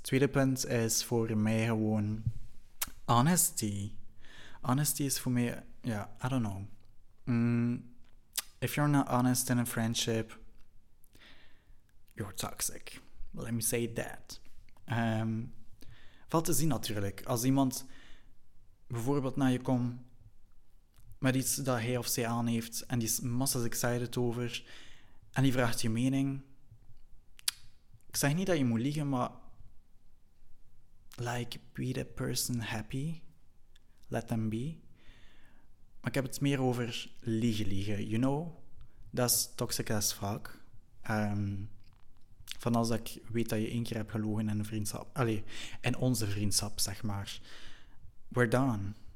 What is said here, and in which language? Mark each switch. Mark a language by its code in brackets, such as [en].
[nl] Tweede punt is voor mij gewoon honesty. [en] Honesty [nl] is voor mij, ja, [en] yeah, I don't know. If you're not honest in a friendship, you're toxic. Let me say that. [nl] Valt te zien natuurlijk. Als iemand bijvoorbeeld naar je komt met iets dat hij of zij aan heeft en die is massas excited over en die vraagt je mening. Ik zeg niet dat je moet liegen, maar [en] like, be the person happy. Let them be. [nl] Maar ik heb het meer over liegen. [en] You know, [nl] dat is [en] toxic as fuck. [nl] Van als ik weet dat je één keer hebt gelogen in een vriendschap. Allee, in onze vriendschap, zeg maar. [en] We're done.